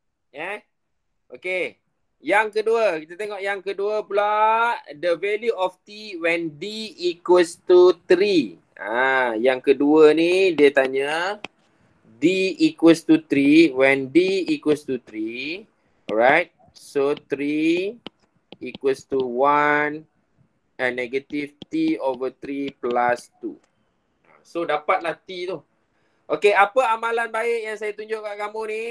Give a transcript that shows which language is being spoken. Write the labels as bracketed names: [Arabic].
[Malay] Yeah? Okay. Yang kedua, kita tengok yang kedua pula. [English] The value of T when D equals to 3. [Malay] Ah, yang kedua ni dia tanya. [English] D equals to 3. When D equals to 3. Alright. So, 3 equals to 1 and negative T over 3 plus 2. [Malay] So, dapatlah T tu. Okay, apa amalan baik yang saya tunjuk kat kamu ni?